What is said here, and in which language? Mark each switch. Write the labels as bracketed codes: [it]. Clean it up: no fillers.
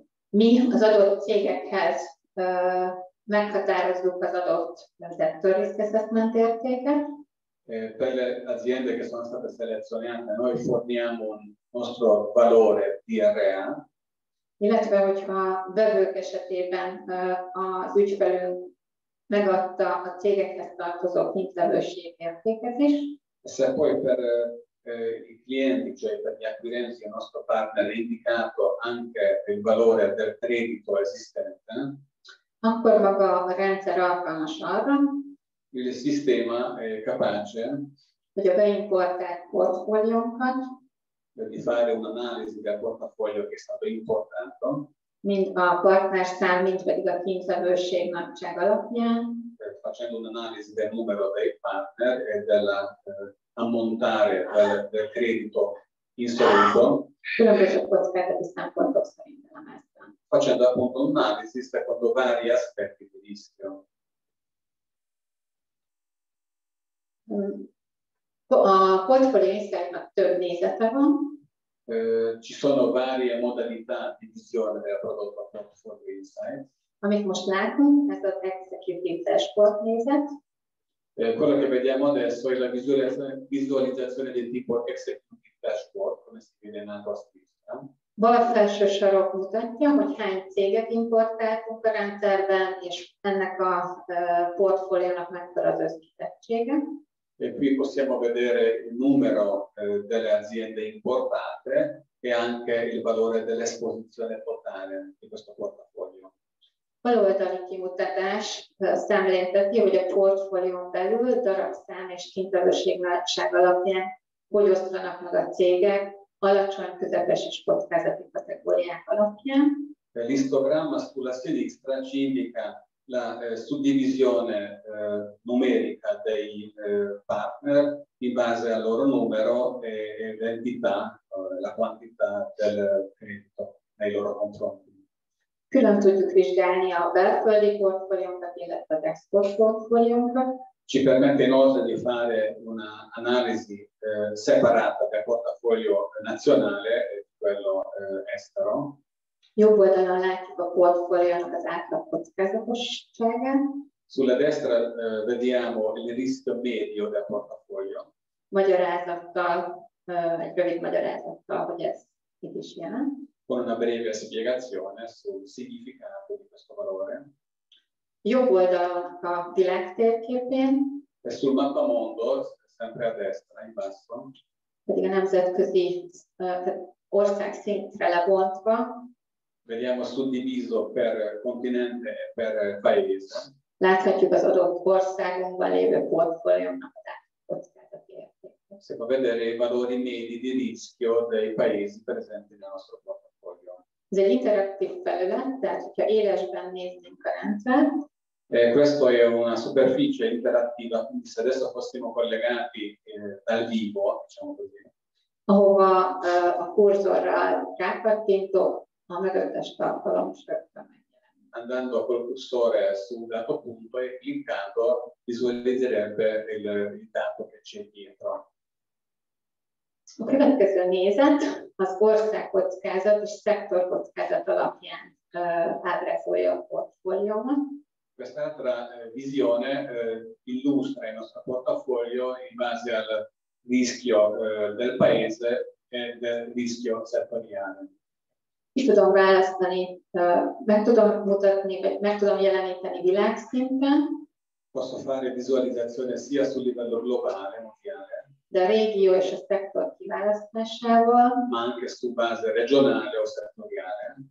[hu] Mi az adott cégekhez meghatározzuk az adott sector risk assessment értéket. [it] Per le aziende che sono state selezionate, noi forniamo un nostro valore DRA. [hu] Illetve, hogyha vevők esetében az ügyfelünk megadta a cégekhez tartozó mintlevőség értékezés. [it] Se poi per i clienti, cioè per gli acquirenti, il nostro partner ha indicato anche il valore del credito esistente. [hu] Akkor maga a rendszer alkalmas arra. [it] Il sistema è capace [hu] hogy a beimportált portfóliónkat [it] di fare un'analisi del portafoglio che è stato importato [hu] mint a partnerszám, mint pedig a kintlevőség nagyság alapján [it] facendo un'analisi del numero dei partner e della ammontare del credito in soldo [hu] különböző kockázati szempontok szerint elemeztem [it] facendo appunto un'analisi secondo vari aspetti di rischio. [hu] A portfolio insight-nak több nézete van. [it] Ci sono varie modalità di visione del prodotto portfolio insight. [hu] Amit most látunk, ez az executive dashboard nézet. [it] Quello che vediamo adesso è la visualizzazione del tipo executive dashboard, come si vede in alto a sinistra. [hu] Bal felső sarok mutatja, hogy hány céget importáltunk a rendszerben, és ennek a portfóliónak mekkora az összetettsége. [it] E qui possiamo vedere il numero delle aziende importate e anche il valore dell'esposizione totale di questo portafoglio. [hu] Valoltani kimutatás szemlélteti, hogy a portfólión belül darabszám és kintlevőség nagyság alapján hogy osztanak meg a cégek alacsony, közepes és kockázati kategóriák alapján. [it] L'istogramma sulla sinistra ci indica la suddivisione numerica dei partner in base al loro numero e l'entità, la quantità del credito nei loro confronti. [hu] Külön tudjuk vizsgálni a belföldi portfóliónkat, illetve az export portfóliónkat. [it] Ci permette inoltre di fare una analisi separata del portafoglio nazionale e quello estero. [hu] Jobb oldalon látjuk a portfóliónak az átlag kockázatosságát. [it] Sulla destra vediamo il rischio medio del portafoglio. [hu] Magyarázattal, egy rövid magyarázattal, hogy ez mit is jelent. [it] Con una breve spiegazione sul significato di questo valore. [hu] Jobb oldalon a világ térképén. [it] E sul mappamondo, sempre a destra, in basso. [hu] Pedig a nemzetközi ország szintre lebontva. [it] Vediamo suddiviso per continente e per paese. [hu] Láthatjuk az adott országunkban lévő portfóliónak a kockázati értékét. [it] Si può vedere i valori medi di rischio dei paesi presenti nel nostro portafoglio. [hu] Ez egy interaktív felület, tehát hogyha élesben néznénk a rendszert. [it] Questo è una superficie interattiva, quindi se adesso fossimo collegati dal vivo, diciamo così. [hu] Ahova a cursorral rákattintok, a mögöttes tartalom sörtön. [it] Andando col cursore su un dato punto e cliccando visualizzerebbe il dato che c'è dietro. [hu] A következő nézet az ország kockázat és szektor kockázat alapján ábrázolja a portfóliómat. [it] Quest'altra visione illustra il nostro portafoglio in base al rischio del paese e del rischio settoriale. [hu] Ki tudom választani, meg tudom mutatni, vagy meg tudom jeleníteni világszinten. [it] Posso fare visualizzazione sia sul livello globale, mondiale. [hu] De a régió és a szektor kiválasztásával. [it] Ma anche su base regionale o settoriale.